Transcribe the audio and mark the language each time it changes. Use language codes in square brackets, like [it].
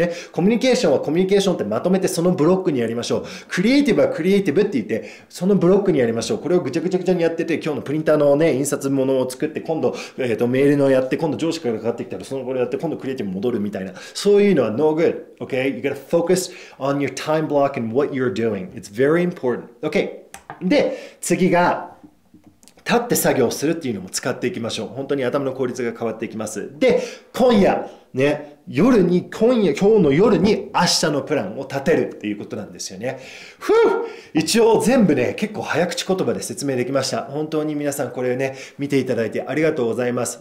[ja] ね、コミュニケーションはコミュニケーションってまとめてそのブロックにやりましょう。クリエイティブはクリエイティブって言ってそのブロックにやりましょう。これをぐちゃぐちゃぐちゃにやってて今日のプリンターのね印刷物を作って今度、メールのやって今度上司からかかってきたらそのこれやって今度クリエイティブ戻るみたいなそういうのは [en] no good. Okay, you gotta focus on your time block and what you're doing. It's very important. [ja] Okay, で次が立って作業するっていうのも使っていきましょう。本当に頭の効率が変わっていきます。で今夜ね。夜に、今日の夜に明日のプランを立てるっていうことなんですよね。ふう！一応全部ね、結構早口言葉で説明できました。本当に皆さんこれをね、見ていただいてありがとうございます。